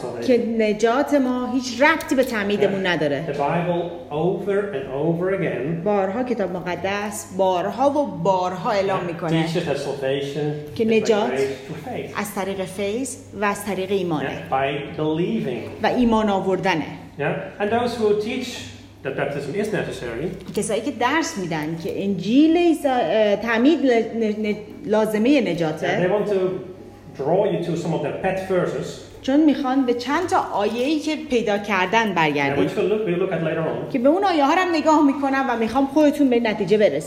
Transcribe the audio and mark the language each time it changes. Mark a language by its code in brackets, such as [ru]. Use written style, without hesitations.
[fa] که نجات ما هیچ ربطی به تعمیدمون نداره. [en] The Bible over and over again. [fa] بارها کتاب مقدس بارها و بارها اعلام میکنه. [en] Teaches that salvation [fa] که نجات از طریق فیض و از طریق ایمانه. [en] By believing. [fa] و ایمان آوردنه. [en] Yeah. And those who teach that baptism is necessary. [fa] کسایی که درس میدن که انجیل تعمید لازمه نجاته. [en] They want to draw you to some of their pet verses. [fa] چون میخوان به چند تا آیه‌ای که پیدا کردن برگردن که به اون آیه ها هم نگاه میکنم و میخوام خودتون به نتیجه